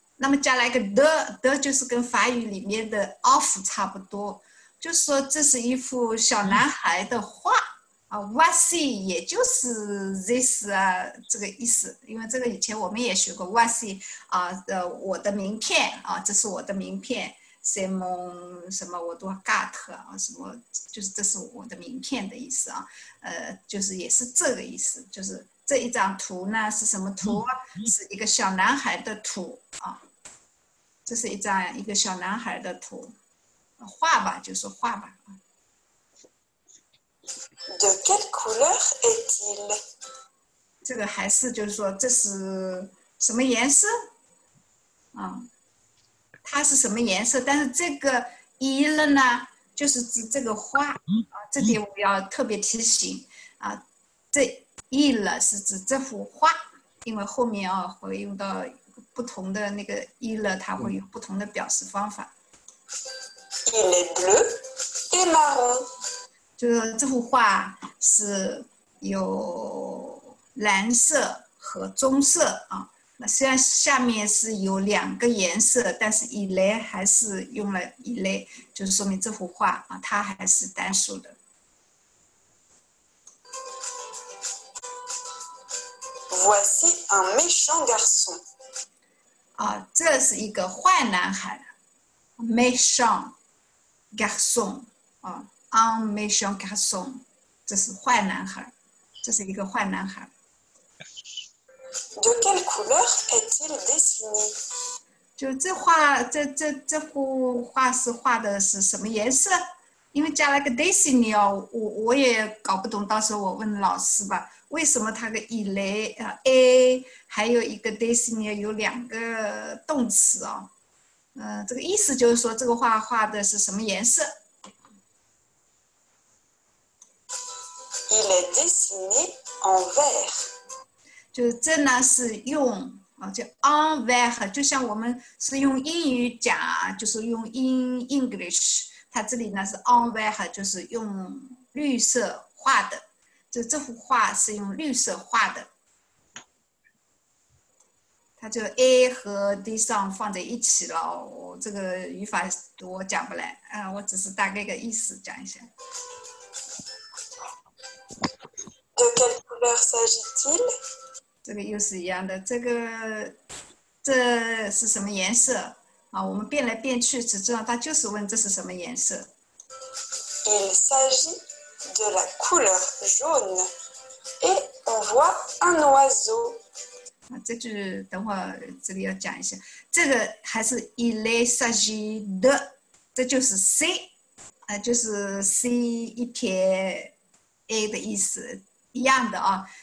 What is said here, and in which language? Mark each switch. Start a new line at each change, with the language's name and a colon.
Chinese: 那么加来个 的就是跟法语里面的 of 差不多，就是说这是一幅小男孩的画啊 ，voici 也就是 this 啊这个意思，因为这个以前我们也学过 voici 啊，我的名片啊，这是我的名片 ，Simon 什么我都 got 啊，什么就是这是我的名片的意思啊，就是也是这个意思，就是。这一张图呢是什么图？是一个小男孩的图啊，这是一张一个小男孩的图，画吧，就是画吧。
French: De quelle couleur est-il？
Chinese: 这个还是就是说这是什么颜色？啊，它是什么颜色？但是这个 il 呢，就是指这个画啊，这点我要特别提醒啊，这。 Il 是指这幅画，因为后面啊会用到不同的那个 il， 它会有不同的表示方法。
French: Il est bleu et marron。
Chinese: 就是这幅画是有蓝色和棕色啊。那虽然下面是有两个颜色，但是 il 还是用了 il， 就是说明这幅画啊它还是单数的。
French: Voici un méchant garçon.
Chinese: 啊，这是一个坏男孩。
French: Méchant garçon.
Chinese: 啊
French: un méchant garçon.
Chinese: 这是坏男孩，这是一个坏男孩。
French: De quelle couleur est-il dessiné?
Chinese: 就这画，这幅画是画的是什么颜色？因为加了个 dessiné 哦，我也搞不懂，到时候我问老师吧。为什么它的 il est a 还有一个 dessiné 有两个动词哦？这个意思就是说这个画画的是什么颜色
French: ？Il est dessiné en vert。
Chinese: 就是这呢是用啊，就 on vert， 就像我们是用英语讲，就是用
English: in English，
Chinese: 它这里呢是 on vert， 就是用绿色画的，就这幅画是用绿色画的。它就 a 和 dessin 放在一起了，我这个语法我讲不来啊，我只是大概个意思讲一下。
French: De quelle couleur s'agit-il？
Chinese: 这个又是一样的，这是什么颜色啊？我们变来变去，只知道他就是问这是什么颜色。
French: Il s'agit de la couleur jaune et on voit un oiseau。
Chinese: 啊，这句等会儿这里要讲一下，这个还是
French: il s'agit de，
Chinese: 这就是 c， 啊，就是 c 一撇 a 的意思一样的啊。